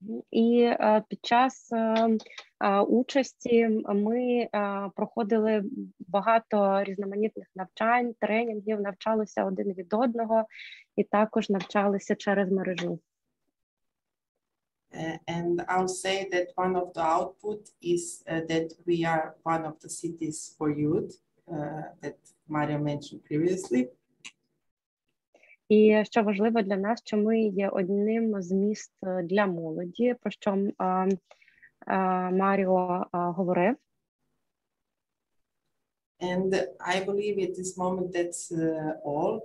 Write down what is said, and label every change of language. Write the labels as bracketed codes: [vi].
[uk] І під час участі ми проходили багато різноманітних навчань, тренінгів, навчалися один від одного і також навчалися через мережу. [en] And I'll say that one of the output is that we are one of the cities for youth that Mario mentioned previously. [uk] І що важливо для нас, що ми є одним з міст для молоді, про що Маріо говорив. [en] And I believe at this moment that's all.